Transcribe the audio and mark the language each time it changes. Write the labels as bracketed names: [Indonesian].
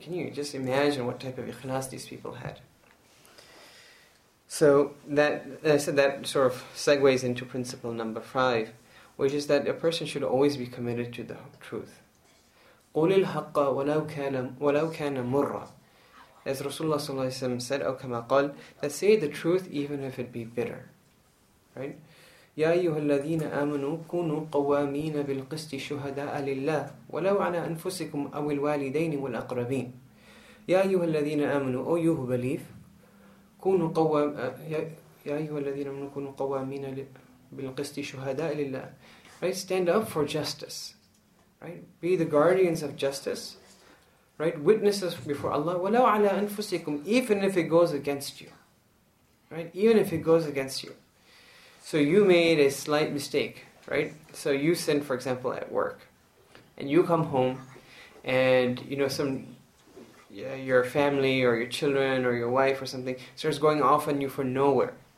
[English] Can you just imagine what type of ikhlas these people had? So that I said that sort of segues into principle number five, which is that a person should always be committed to the truth. [Arabic] قُلِ الْحَقَّ وَلَوْ كَانَ مُرَّ. [English] As Rasulullah صلى الله عليه وسلم said, [Arabic] أو كما قال, [English] that say the truth even if it be bitter. Right? [Arabic] يا أيها الذين آمنوا كونوا قوامين بالقسط شهداء لله ولو على أنفسكم أو الوالدين والأقربين. يا أيها الذين آمنوا, [English] O you who believe, [Arabic] كونوا قوام يا أيها الذين آمنوا كونوا قوامين بالقسط شهداء لله. [English] Right? Stand up for justice. Right? Be the guardians of justice. Right, witnesses before Allah, [Arabic] وَلَوْ عَلَىٰ أَنفُسِكُمْ, [English] even if it goes against you. Right, even if it goes against you. So you made a slight mistake, right? So you sin, for example, at work. And you come home, and your family, or your children, or your wife, or something, starts going off on you for nowhere.